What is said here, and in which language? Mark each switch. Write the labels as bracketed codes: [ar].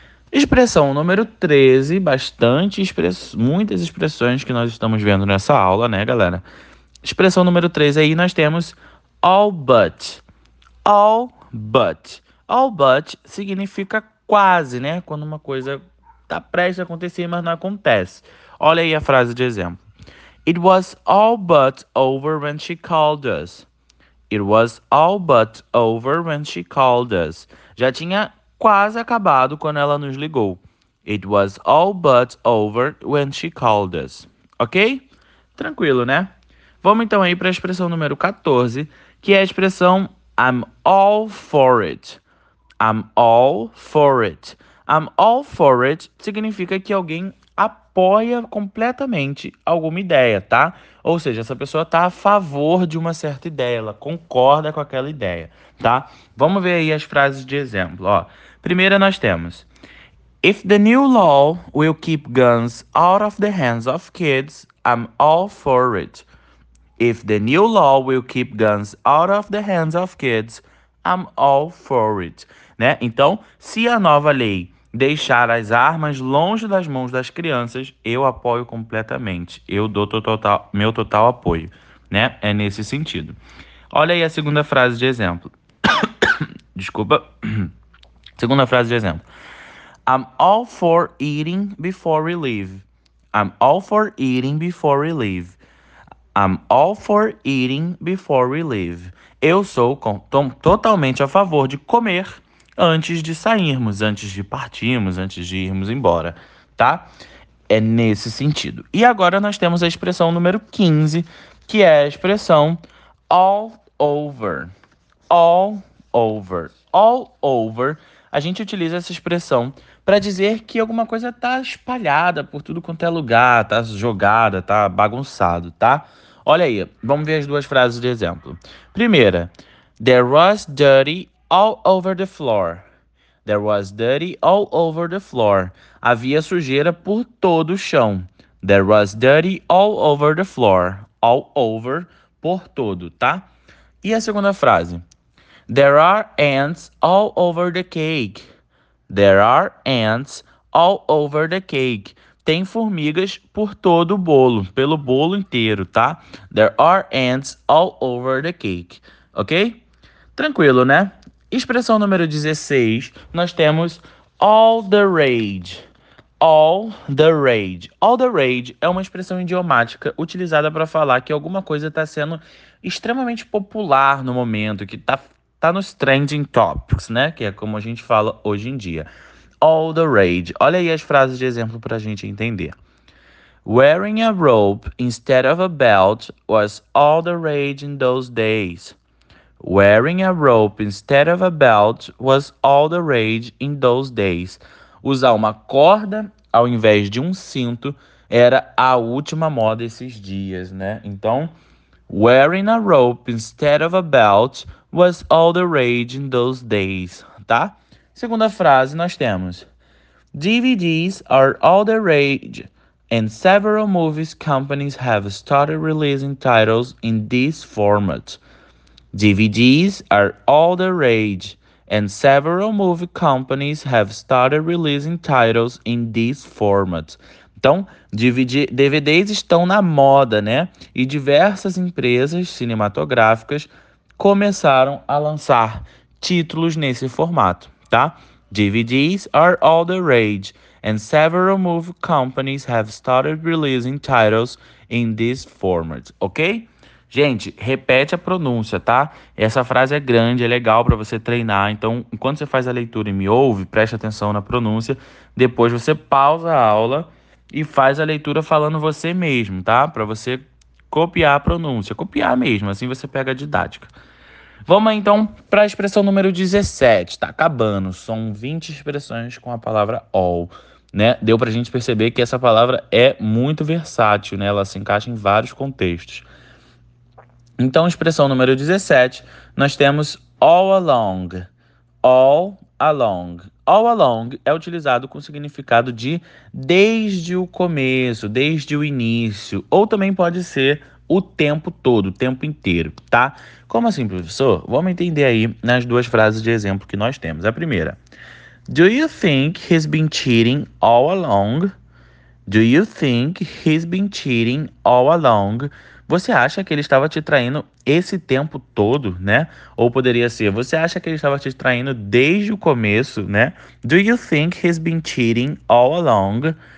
[pt] Expressão número 13, muitas expressões que nós estamos vendo nessa aula, né, galera? Expressão número 13 aí, nós temos [en] all but. All but. All but [pt] significa quase, né? Quando uma coisa tá prestes a acontecer, mas não acontece. Olha aí a frase de exemplo. [en] It was all but over when she called us. It was all but over when she called us. [pt] Já tinha quase acabado quando ela nos ligou. [en] It was all but over when she called us. [pt] Ok? Tranquilo, né? Vamos então aí para a expressão número 14, que é a expressão [en] I'm all for it. I'm all for it. I'm all for it [pt] significa que alguém apoia completamente alguma ideia, tá? Ou seja, essa pessoa tá a favor de uma certa ideia, ela concorda com aquela ideia, tá? Vamos ver aí as frases de exemplo, ó. Primeira nós temos: [en] If the new law will keep guns out of the hands of kids, I'm all for it. If the new law will keep guns out of the hands of kids, I'm all for it. [pt] Né? Então, se a nova lei deixar as armas longe das mãos das crianças, eu apoio completamente. Eu dou total, meu total apoio. Né? É nesse sentido. Olha aí a segunda frase de exemplo. Desculpa. Segunda frase de exemplo. [en] I'm all for eating before we leave. I'm all for eating before we leave. I'm all for eating before we leave. [pt] Eu sou totalmente a favor de comer antes de sairmos, antes de partirmos, antes de irmos embora, tá? É nesse sentido. E agora nós temos a expressão número 15, que é a expressão [en] all over. All over. All over. [pt] A gente utiliza essa expressão para dizer que alguma coisa tá espalhada por tudo quanto é lugar, tá jogada, tá bagunçado, tá? Olha aí, vamos ver as duas frases de exemplo. Primeira, [en] there was dirty all over the floor. There was dirty all over the floor. [pt] Havia sujeira por todo o chão. [en] There was dirty all over the floor. All over, [pt] por todo, tá? E a segunda frase, [en] there are ants all over the cake. There are ants all over the cake. [pt] Tem formigas por todo o bolo, pelo bolo inteiro, tá? [en] There are ants all over the cake. Ok? [pt] Tranquilo, né? Expressão número 16, nós temos [en] all the rage. All the rage. All the rage [pt] é uma expressão idiomática utilizada para falar que alguma coisa está sendo extremamente popular no momento, que tá nos trending topics, né? Que é como a gente fala hoje em dia. [en] All the rage. [pt] Olha aí as frases de exemplo para a gente entender. [en] Wearing a rope instead of a belt was all the rage in those days. Wearing a rope instead of a belt was all the rage in those days. [pt] Usar uma corda ao invés de um cinto era a última moda esses dias, né? Então, [en] wearing a rope instead of a belt was all the rage in those days, [pt] tá? Segunda frase, nós temos: [en] DVDs are all the rage, and several movies companies have started releasing titles in this format. DVDs are all the rage, and several movie companies have started releasing titles in this format. [pt] Então, DVDs estão na moda, né? E diversas empresas cinematográficas começaram a lançar títulos nesse formato, tá? [en] DVDs are all the rage, and several movie companies have started releasing titles in this format, ok? [pt] Gente, repete a pronúncia, tá? Essa frase é grande, é legal para você treinar. Então, enquanto você faz a leitura e me ouve, preste atenção na pronúncia. Depois você pausa a aula e faz a leitura falando você mesmo, tá? Para você copiar a pronúncia. Copiar mesmo, assim você pega a didática. Vamos então para a expressão número 17. Tá acabando. São 20 expressões com a palavra all, né? Deu para a gente perceber que essa palavra é muito versátil, né? Ela se encaixa em vários contextos. Então, expressão número 17, nós temos [en] all along. All along. All along [pt] é utilizado com o significado de desde o começo, desde o início, ou também pode ser o tempo todo, o tempo inteiro, tá? Como assim, professor? Vamos entender aí nas duas frases de exemplo que nós temos. A primeira: [en] Do you think he's been cheating all along? Do you think he's been cheating all along? [pt] Você acha que ele estava te traindo esse tempo todo, né? Ou poderia ser, você acha que ele estava te traindo desde o começo, né? [en] Do you think he's been cheating all along?